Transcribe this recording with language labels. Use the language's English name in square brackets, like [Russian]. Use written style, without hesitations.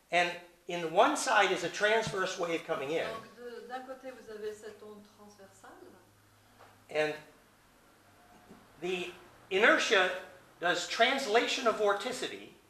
[English] And in one side is a transverse wave coming in. [French] Donc d'un côté vous avez cette onde transversale. [English] And the inertia does translation of vorticity.